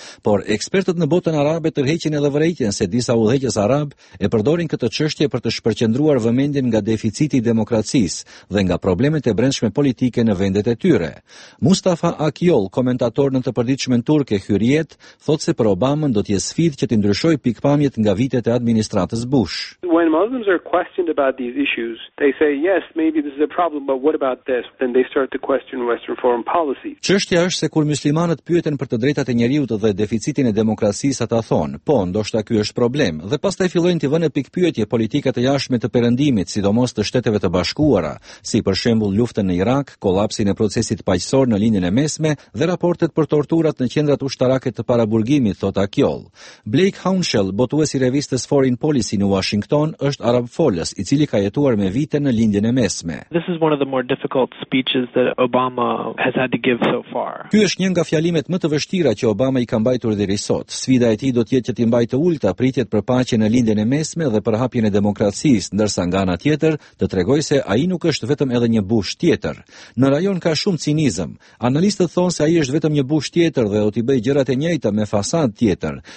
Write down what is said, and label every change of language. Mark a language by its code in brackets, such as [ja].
[sq] Por ekspertët në botën arabe tërheqin edhe vërejtjen se disa udhëheqës arab e përdorin këtë çështje për të shpërqendruar vëmendjen nga deficiti i demokracisë dhe nga problemet e brendshme politike në vendet e tyre. Mustafa Akyol, komentator në të përditshmen turke Hyriyet, thot se për Obamën do të jetë sfidë që të ndryshojë pikpamjet nga vitet e administratës Bush. [en] When Muslims are questioned about these issues, they say yes, maybe this is a problem, but what about this? Then they start to question Western foreign policy. [sq] Çështja është se kur muslimanët pyeten për të drejtat e njeriut dhe deficitin e demokracisë, ata thonë, po, ndoshta ky është problem, dhe pastaj fillojnë të vënë pikpyetje politikat e jashtme të Perëndimit, sidomos të Shteteve të Bashkuara, si për shembull luftën në Irak, kollapsin e procesit paqësor në linjën e mesme dhe raportet për torturat në qendrat ushtarake të paraburgimit, thot Akyol. Blake Hounshell, botues i revistës Foreign Policy në Washington, është arab folës, i cili ka jetuar me vite në lindjen e mesme. [en] This is one of the more difficult speeches that Obama has had to give so far. [sq] Ky është një nga fjalimet më të vështira që Obama i ka mbajtur deri sot. Sfida e tij do të jetë që të mbajë të ulta pritjet për paqe në lindjen e mesme dhe për hapjen e demokracisë, ndërsa nga ana tjetër të tregojë se ai nuk është vetëm edhe një Bush tjetër. Në rajon ka shumë cinizëm. Analistët thonë se ai është vetëm një Bush tjetër dhe do t'i bëjë gjërat e njëjta me fasad tjetër.